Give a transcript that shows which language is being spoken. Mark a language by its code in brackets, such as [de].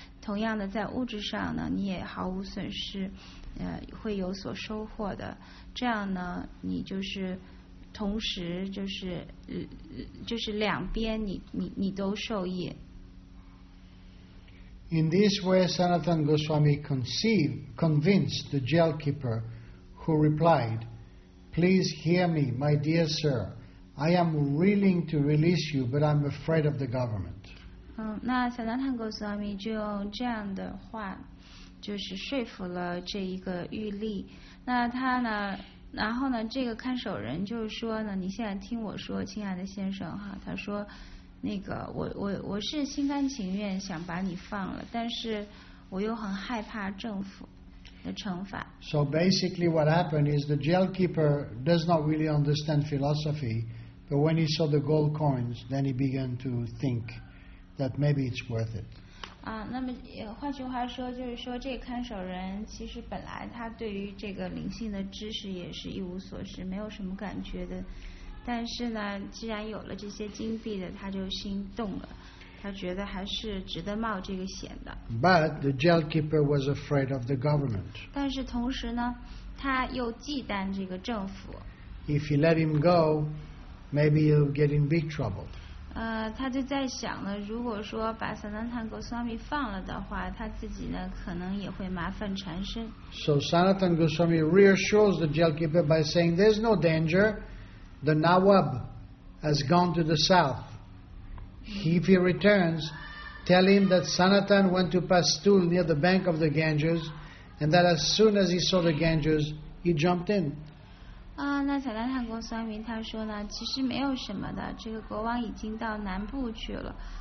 [zh] 同样的，在物质上呢，你也毫无损失，会有所收获的。这样呢，你就是同时就是两边你都受益。 [en] In this way, Sanatana Goswami convinced the jail keeper, who replied, "Please hear me, my dear sir. I am willing to release you, but I'm afraid of the government." [zh] 那 Sanatana Goswami 就用这样的话，就是说服了这一个狱吏。那他呢？然后呢，这个看守人就是说呢，你现在听我说，亲爱的先生哈，他说，那个我是心甘情愿想把你放了，但是我又很害怕政府的惩罚。 [en] So basically, what happened is the jail keeper does not really understand philosophy, but when he saw the gold coins, then he began to think that maybe it's worth it. [zh] 那么换句话说，就是说这个看守人其实本来他对于这个灵性的知识也是一无所知，没有什么感觉的。但是呢，既然有了这些金币的，他就心动了，他觉得还是值得冒这个险的。 [en] But the jail keeper was afraid of the government. [zh] 但是同时呢，他又忌惮这个政府。 [en] If you let him go, maybe you'll get in big trouble. [zh] 他就在想呢，如果说把 Sanatana Goswami 放了的话，他自己呢可能也会麻烦缠身。 [en] So Sanatana Goswami reassures the jail keeper by saying, "There's no danger. The Nawab has gone to the south. If he returns, tell him that Sanatan went to Pastul near the bank of the Ganges, and that as soon as he saw the Ganges, he jumped in." [zh] 那萨拉坦Goswami他说呢，其实没有什么的，这个国王已经到南部去了。